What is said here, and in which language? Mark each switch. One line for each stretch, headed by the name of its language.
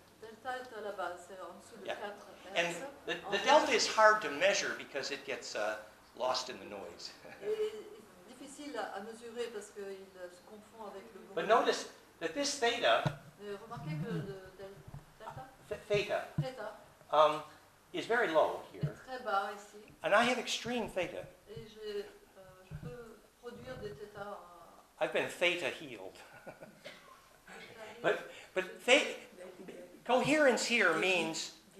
French: Delta est à la base, c'est en dessous de 4.
English: And the delta is hard to measure because it gets lost in the noise.
French: Difficile à mesurer parce qu'il se confond avec le bruit.
English: But notice that this theta.
French: Remarquez que le delta.
English: Theta.
French: Theta.
English: Is very low here.
French: Très bas ici.
English: And I have extreme theta.
French: Et je peux produire des theta.
English: I've been theta healed. but theta, coherence here means.